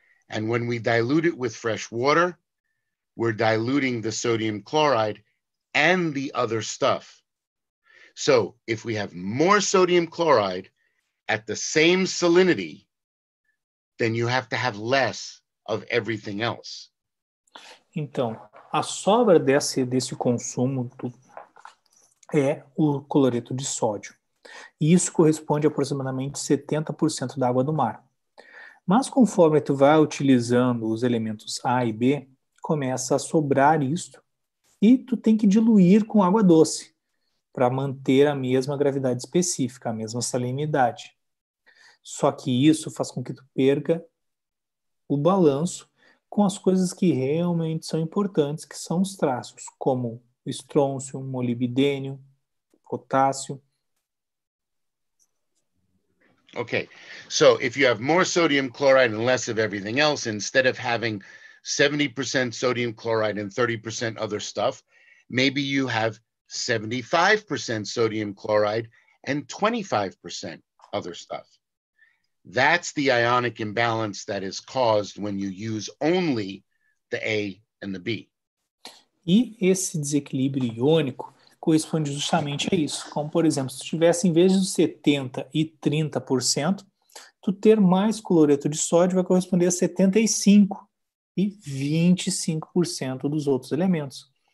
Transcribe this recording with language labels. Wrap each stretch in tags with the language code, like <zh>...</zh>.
<en>And when we dilute it with fresh water, we're diluting the sodium chloride and the other stuff. So if we have more sodium chloride at the same salinity, then you have to have less of everything else.</en> <pt>Então, a sobra desse consumo é o cloreto de sódio. E isso corresponde a aproximadamente 70% da água do mar. Mas conforme tu vai utilizando os elementos A e B, começa a sobrar isto e tu tem que diluir com água doce para manter a mesma gravidade específica, a mesma salinidade. Só que isso faz com que tu perca o balanço com as coisas que realmente são importantes, que são os trácios, como o estrôncio, molibdênio, potássio.</pt> <en>Okay, so if you have more sodium chloride and less of everything else, instead of having 70% sodium chloride and 30% other stuff, maybe you have 75% sodium chloride and 25% other stuff. That's the ionic imbalance that is caused when you use only the A and the B.</en> <pt>E esse desequilíbrio iônico corresponde justamente a isso. Como, por exemplo, se tivesse, em vez de 70% e 30%, tu ter mais cloreto de sódio vai corresponder a 75% e 25% dos outros elementos.</pt>